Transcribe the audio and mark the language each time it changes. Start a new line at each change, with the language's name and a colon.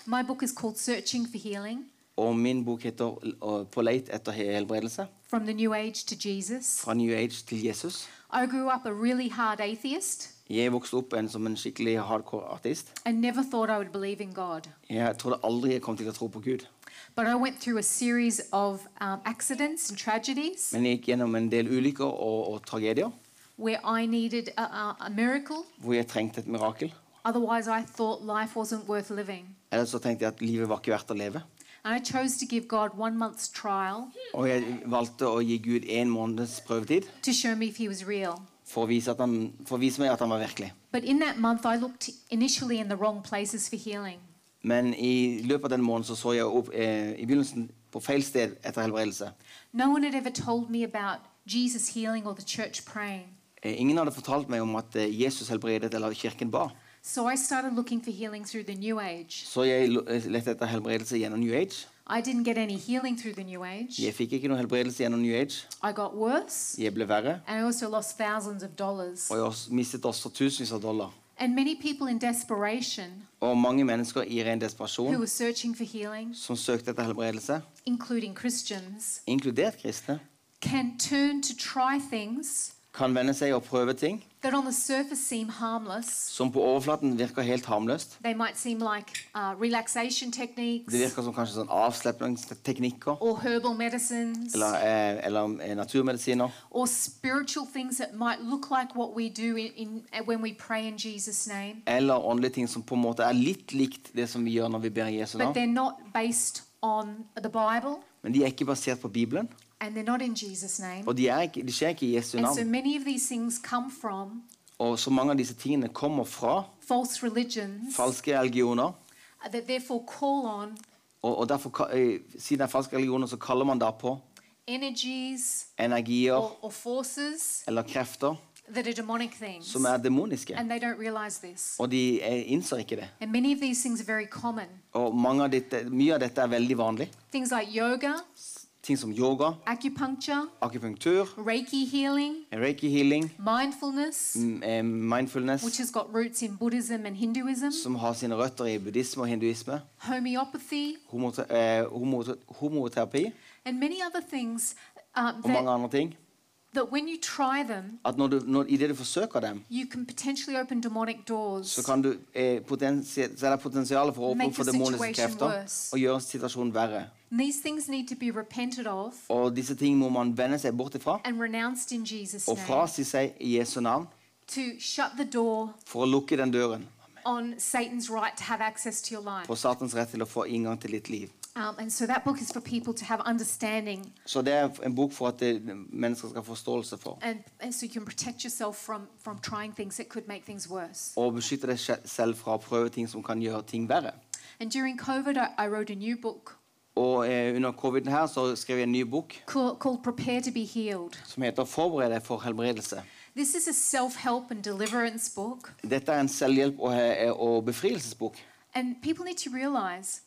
English: My book is called Searching for Healing.
Norwegian: Og min bok heter På leit etter helbredelse.
English: From the New Age to Jesus.
Norwegian: Fra New Age til Jesus.
English: I grew up a really hard atheist.
Norwegian: Jeg vokste opp som en skikkelig hardcore ateist.
English: I never thought I would believe in God.
Norwegian: Jeg trodde aldri jeg kom til å tro på Gud.
English: But I went through a series of accidents and tragedies.
Norwegian: Men jeg gikk gjennom en del ulykker og tragedier.
English: Where I needed a miracle.
Norwegian: Hvor jeg trengte et mirakel.
English: Otherwise, I thought life wasn't worth living.
Norwegian: Ellers så tenkte jeg at livet var ikke verdt å leve.
English: And I chose to give God 1 month's trial.
Norwegian: Og jeg valgte å gi Gud en måneds prøvetid.
English: To show me if He was real.
Norwegian: For å vise meg at han var virkelig.
English: But in that month, I looked initially in the wrong places for healing.
Norwegian: Men I løpet av den måneden så jeg opp I begynnelsen på feil sted etter helbredelse.
English: No one had ever told me about Jesus healing or the church praying.
Norwegian: Ingen hadde fortalt meg om at Jesus helbredet eller kirken ba.
English: So I started looking for healing through the New Age.
Norwegian: Så jeg lette etter helbredelse gjennom New Age.
English: I didn't get any healing through the New Age.
Norwegian: Jeg fikk ikke noen helbredelse gjennom New Age.
English: I got worse.
Norwegian: Jeg ble verre.
English: And I also lost thousands of dollars.
Norwegian: Og jeg mistet også tusenvis av dollar.
English: And many people in desperation.
Norwegian: Og mange mennesker I ren desperasjon.
English: Who were searching for healing.
Norwegian: Som søkte etter helbredelse.
English: Including Christians.
Norwegian: Inkludert kristne.
English: Can turn to try things.
Norwegian: Kan vende seg og prøve ting.
English: That on the surface seem harmless.
Norwegian: Som på overflaten virker helt harmløst.
English: They might seem like relaxation techniques.
Norwegian: Det virker som kanskje sånn avslappningsteknikker.
English: Or herbal medicines.
Norwegian: Eller naturmedisiner.
English: Or spiritual things that might look like what we do when we pray in Jesus' name.
Norwegian: Eller åndelige ting som på en måte litt likt det som vi gjør når vi ber I Jesu navn.
English: But they're not based on the Bible.
Norwegian: Men de ikke basert på Bibelen.
English: And they're not in Jesus' name.
Norwegian: Og de skjer ikke I Jesu navn.
English: And so many of these things come from.
Norwegian: Og så mange av disse tingene kommer fra.
English: False religions.
Norwegian: Falske religioner.
English: That therefore call on.
Norwegian: Og derfor siden falske religioner så kaller man da på.
English: Energies.
Norwegian: Energier.
English: Or forces.
Norwegian: Eller krefter.
English: That are demonic things.
Norwegian: Som demoniske.
English: And they don't realize this.
Norwegian: Og de innser ikke det.
English: And many of these things are very common.
Norwegian: Og mye av dette veldig vanlig.
English: Things like yoga.
Norwegian: Ting som yoga, acupunktur,
English: reiki healing, mindfulness, which has got roots in Buddhism and Hinduism,
Norwegian: som har sine røtter I buddhisme og hinduisme,
English: homeopathy,
Norwegian: homoterapi,
English: and many other things.
Norwegian: Og mange andre ting.
English: That when you try them,
Norwegian: at når du forsøker dem,
English: you can potentially open demonic doors.
Norwegian: Så kan du potensial for å åpne for demoniske krefter og gjøre situasjonen verre.
English: These things need to be repented of.
Norwegian: Og disse ting må man vende seg bort ifra.
English: And renounced in Jesus'
Norwegian: name. Og frasi seg I Jesu navn.
English: To shut the door.
Norwegian: For å lukke den døren.
English: On Satan's right to have access to your life.
Norwegian: På Satans rett til å få inngang til ditt liv.
English: And so that book is for people to have understanding.
Norwegian: Så det en bok for at mennesker skal forståelse for.
English: And so you can protect yourself from trying things that could make things worse.
Norwegian: Og beskytte deg selv fra å prøve ting som kan gjøre ting verre.
English: And during COVID, I wrote a new book.
Norwegian: Og under COVID her så skrev jeg en ny bok.
English: Called Prepare to be Healed.
Norwegian: Som heter Forbered deg for helbredelse.
English: This is a self-help and deliverance book.
Norwegian: Dette en selvhjelp og befrielsesbok.
English: And people need to realize.